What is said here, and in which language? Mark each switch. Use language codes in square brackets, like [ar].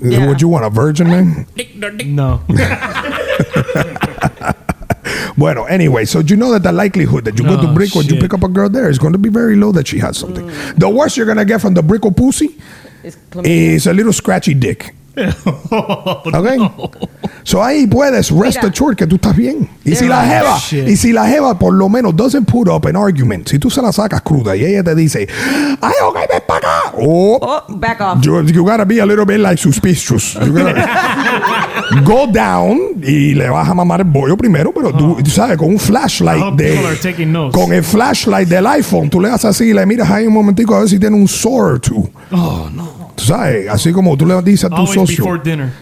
[en] Yeah. Would you want a virgin, man? No. Bueno, anyway, so you know that the likelihood that you go to Brico and you pick up a girl there is going to be very low that she has something. The worst you're going to get from the Brico pussy is a little scratchy dick. Okay? No. [es] So ahí puedes [en] rest assured [es] que tú estás bien. Y si, la jeva por lo menos [en] doesn't put up an argument, [es] si tú se la sacas cruda y ella te dice, ay, ok, ven para acá. [en] Back off. You gotta be a little bit like suspicious. You gotta go down [es] y le vas a mamar el bollo primero, pero tú sabes, con un flashlight con el flashlight del iPhone, tú le das así y le miras ahí un momentico a ver si tiene un [en] sore or two. Oh, no. [es] Tú sabes, así como tú le dices a tu [en] always [es] socio. [en] Before dinner.